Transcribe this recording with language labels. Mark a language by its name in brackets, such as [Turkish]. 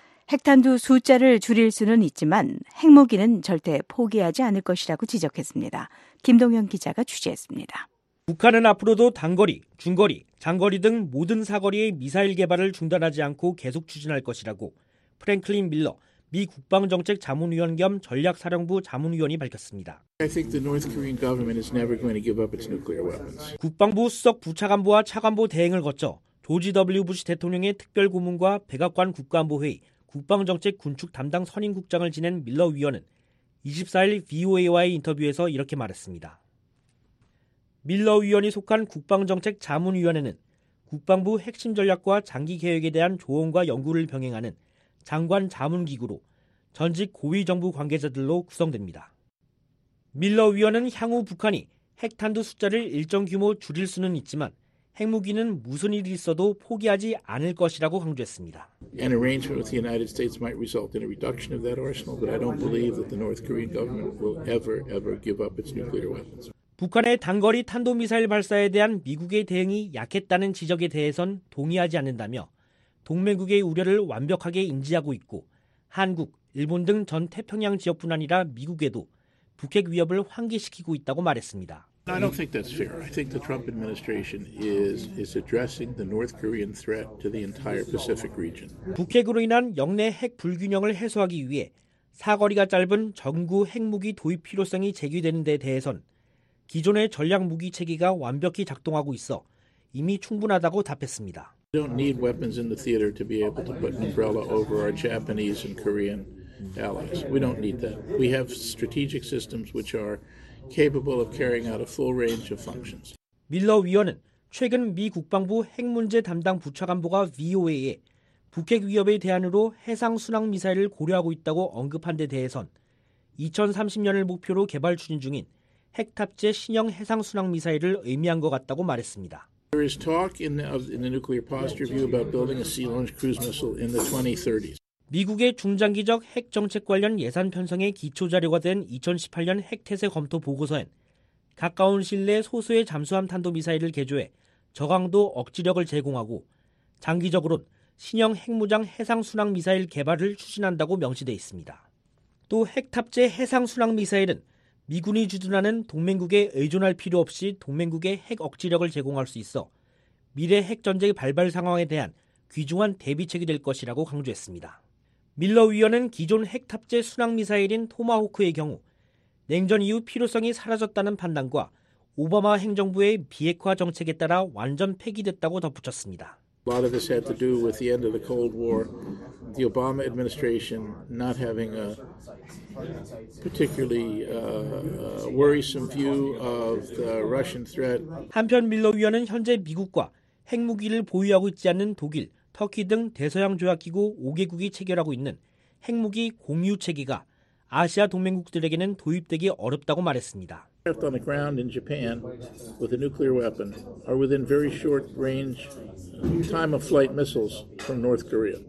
[Korean] 핵탄두 숫자를 줄일 수는 있지만 핵무기는 절대 포기하지 않을 것이라고 지적했습니다. 김동현 기자가 취재했습니다. 북한은 앞으로도 단거리, 중거리, 장거리 등 모든 사거리의 미사일 개발을 중단하지 않고 계속 추진할 것이라고 프랭클린 밀러, 미 국방정책 자문위원 겸 전략사령부 자문위원이 밝혔습니다. [English] I think the North Korean government is never going to give up its nuclear weapons. [Korean] 국방부 수석 부차관보와 차관보 대행을 거쳐 조지 W. 부시 대통령의 특별고문과 백악관 국가안보회의 국방정책 군축 담당 선임국장을 지낸 밀러 위원은 24일 VOA와의 인터뷰에서 이렇게 말했습니다. 밀러 위원이 속한 국방정책 자문위원회는 국방부 핵심 전략과 장기 계획에 대한 조언과 연구를 병행하는 장관 자문기구로 전직 고위정부 관계자들로 구성됩니다. 밀러 위원은 향후 북한이 핵탄두 숫자를 일정 규모 줄일 수는 있지만 핵무기는 무슨 일이 있어도 포기하지 않을 것이라고 강조했습니다. [English] An arrangement with the United States might result in a reduction of that arsenal, but I don't believe that the North Korean government will ever give up its nuclear weapons. [Korean] 북한의 단거리 탄도미사일 발사에 대한 미국의 대응이 약했다는 지적에 대해선 동의하지 않는다며 동맹국의 우려를 완벽하게 인지하고 있고 한국, 일본 등 전 태평양 지역뿐 아니라 미국에도 북핵 위협을 환기시키고 있다고 말했습니다. [English] I don't think that's fair. I think the Trump administration is addressing the North Korean threat to the entire Pacific region. [Korean] 북핵으로 인한 영내 핵 불균형을 해소하기 위해 사거리가 짧은 전구 핵무기 도입 필요성이 제기되는 데 대해선 기존의 전략 무기 체계가 완벽히 작동하고 있어 이미 충분하다고 답했습니다. [English] We don't need weapons in the theater to be able to put an umbrella over our Japanese and Korean allies. We don't need that. We have strategic systems which are capable of carrying out a full range of functions. [Korean] 밀러 위원은 최근 미 국방부 핵 문제 담당 부차관보가 VOA에 북핵 위협에 대안으로 해상 순항 미사일을 고려하고 있다고 언급한 데 대해선 2030년을 목표로 개발 추진 중인 핵 탑재 신형 해상 순항 미사일을 의미한 것 같다고 말했습니다. [English] There is talk in the nuclear posture view about building a sea-launched cruise missile in the 2030s. [Korean] 미국의 중장기적 핵 정책 관련 예산 편성의 기초 자료가 된 2018년 핵 태세 검토 보고서엔 가까운 시일 내 소수의 잠수함 탄도 미사일을 개조해 저강도 억지력을 제공하고 장기적으로는 신형 핵무장 해상 순항 미사일 개발을 추진한다고 명시돼 있습니다. 또 핵 탑재 해상 순항 미사일은 미군이 주둔하는 동맹국에 의존할 필요 없이 동맹국의 핵 억지력을 제공할 수 있어 미래 핵전쟁의 발발 상황에 대한 귀중한 대비책이 될 것이라고 강조했습니다. 밀러 위원은 기존 핵 탑재 순항 미사일인 토마호크의 경우 냉전 이후 필요성이 사라졌다는 판단과 오바마 행정부의 비핵화 정책에 따라 완전 폐기됐다고 덧붙였습니다. [English] A lot of this had to do with the end of the Cold War, the Obama administration not having a particularly worrisome view of the Russian threat. [Korean] 한편 밀러 위원은 현재 미국과 핵무기를 보유하고 있지 않은 독일, 터키 등 대서양 조약기구 5개국이 체결하고 있는 핵무기 공유 체계가 아시아 동맹국들에게는 도입되기 어렵다고 말했습니다. [English] On the ground in Japan with a nuclear weapon are within very short range time of flight missiles from North Korea.